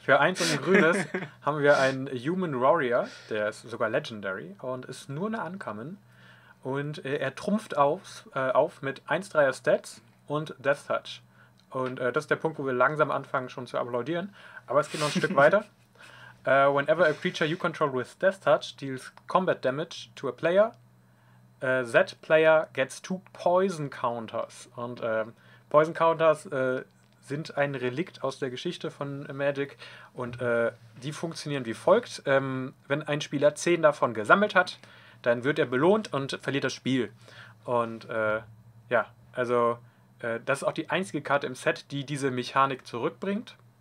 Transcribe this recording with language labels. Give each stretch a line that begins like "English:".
German: Für eins und ein grünes haben wir einen Human Warrior, der ist sogar Legendary und ist nur eine Uncommon. Und er trumpft auf mit 1-3er Stats und Death Touch. Und das ist der Punkt, wo wir langsam anfangen schon zu applaudieren. Aber es geht noch ein Stück weiter.
English: Whenever a creature you control with Death Touch deals combat damage to a player, that player gets 2 Poison Counters.
German: Und Poison Counters sind ein Relikt aus der Geschichte von Magic. Und die funktionieren wie folgt. Wenn ein Spieler 10 davon gesammelt hat, dann wird er belohnt und verliert das Spiel. Und das ist auch die einzige Karte im Set, die diese Mechanik zurückbringt.